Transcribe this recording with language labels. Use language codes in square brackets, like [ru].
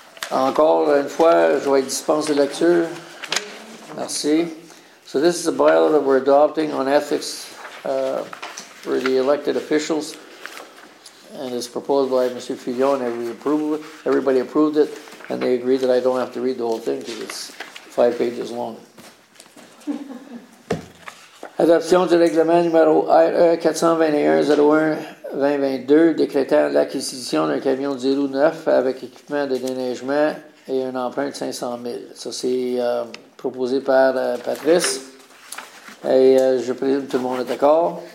[fr] Encore une fois, je vais dispenser de lecture. Merci. [en] So this is a bylaw that we're adopting on ethics for the elected officials. And it's proposed by Mr. Fillon, and everybody approved it. And they agreed that I don't have to read the whole thing because it's 5 pages long. [fr] Adoption du règlement numéro 421-01-2022 décrétant l'acquisition d'un camion 09 avec équipement de déneigement et une empreinte de 500 000. Ça, c'est proposé par Patrice. Et je présume que tout le monde est d'accord.